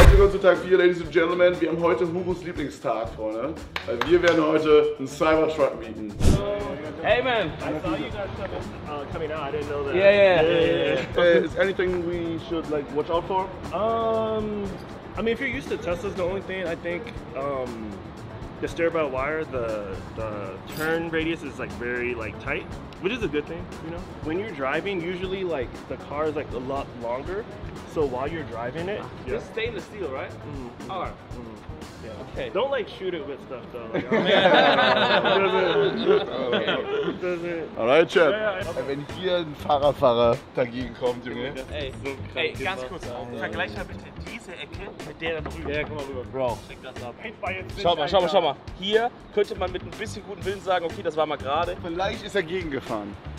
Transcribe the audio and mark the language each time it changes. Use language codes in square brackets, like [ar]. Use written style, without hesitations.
[de] für Tag 4, [en] Ladies and Gentlemen. [de] Wir haben heute Hugos Lieblingstag, Freunde. Weil wir werden heute einen Cybertruck mieten. [en] Hey, man. I saw you guys coming out. I didn't know that. Yeah. Is anything we should, like, watch out for? I mean, if you're used to Teslas, the only thing, I think, the steer-by-wire wire, the turn radius is, like, very, like, tight. Which is a good thing, you know? When you're driving, usually, like, the car is, like, a lot longer. So while you're driving it, just stainless steel, right? Mm-hmm. All right. Mm-hmm. Yeah. Okay. Don't like shoot it with stuff though. Okay. All right, Chad. [de] Wenn hier ein Fahrer dagegen kommt, Junge. Ey, ganz kurz. Vergleich mal bitte diese Ecke mit der da drüben. Ja, komm mal rüber. Bro. Check das ab. Schau mal. Hier könnte man mit ein bisschen guten Willen sagen, okay, das war mal gerade. Vielleicht ist er gegengefahren.